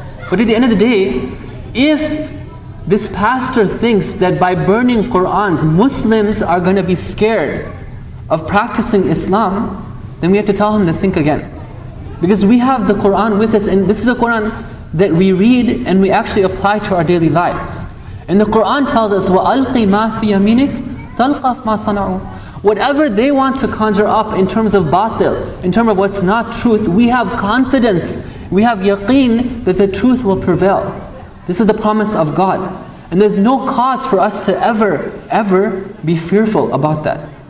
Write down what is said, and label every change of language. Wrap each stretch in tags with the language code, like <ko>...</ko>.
<en>But at the end of the day, if this pastor thinks that by burning Qur'ans, Muslims are going to be scared of practicing Islam, then we have to tell him to think again. Because we have the Qur'an with us, and this is a Qur'an that we read and we actually apply to our daily lives. And the Qur'an tells us,</en> <ar>وَأَلْقِ مَا فِي يَمِينِكَ تَلْقَفْ مَا صَنَعُوا.</ar> <en>Whatever they want to conjure up in terms of batil, in terms of what's not truth, we have confidence, we have yaqeen that the truth will prevail. This is the promise of God. And there's no cause for us to ever, ever be fearful about that.</en>